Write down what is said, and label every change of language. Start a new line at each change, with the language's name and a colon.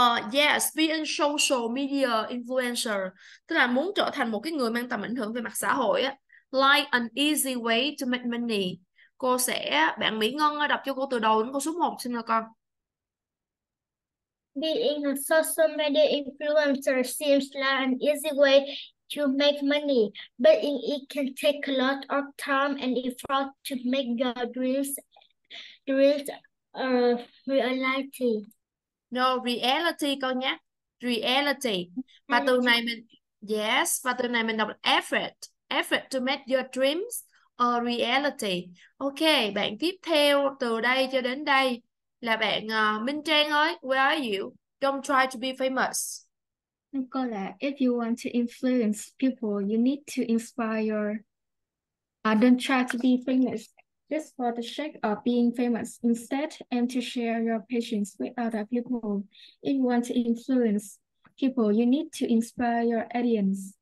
English: Yes, being social media influencer.
Vietnamese: Tức là muốn trở thành một cái người mang tầm ảnh hưởng về mặt xã hội á.
English: Like an easy way to make money.
Vietnamese: Cô sẽ, bạn Mỹ Ngân ơi, đọc cho cô từ đầu đến câu số 1 xin là con.
English: Being a social media influencer seems like an easy way to make money, but it can take a lot of time and effort to make your dreams a reality. No, reality
Vietnamese: con nhé. Reality. Và từ
English: Reality.
Vietnamese: này mình yes, và từ này mình đọc effort.
English: Effort to make your dreams a reality.
Vietnamese: Ok, bạn tiếp theo từ đây cho đến đây là bạn Minh Trang ơi,
English: where are you? Don't try to be famous.
Vietnamese: Cô là
English: if you want to influence people, you need to inspire. Don't try to be famous. Just for the sake of being famous, instead, aim to share your passions with other people. If you want to influence people, you need to inspire your audience.